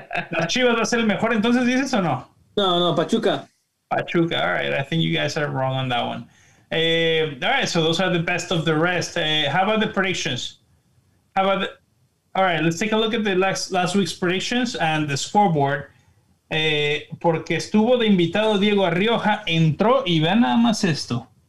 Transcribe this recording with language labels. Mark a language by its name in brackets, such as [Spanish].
[Spanish] ¿Las Chivas va a ser el mejor entonces, dices o no? No, Pachuca. [English] Pachuca, all right. I think you guys are wrong on that one. All right, so those are the best of the rest. How about the predictions? All right, let's take a look at the last week's predictions and the scoreboard. [Spanish] Porque estuvo de invitado Diego Arrioja, entró y ve nada más esto.